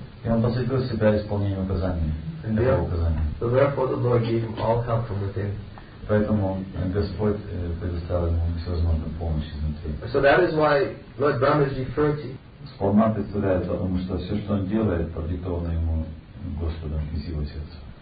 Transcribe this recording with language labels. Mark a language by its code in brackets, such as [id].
[ru] И он посвятил себя исполнению указаний. [en] So therefore the Lord gave him all help from within. [ru] Поэтому Господь предоставил ему всевозможную помощь изнутри. [en] So that is why Lord Brahma is referred to. [ru] Сполна представляется, потому что все, что он делает, продиктовано ему Господом из его сердца.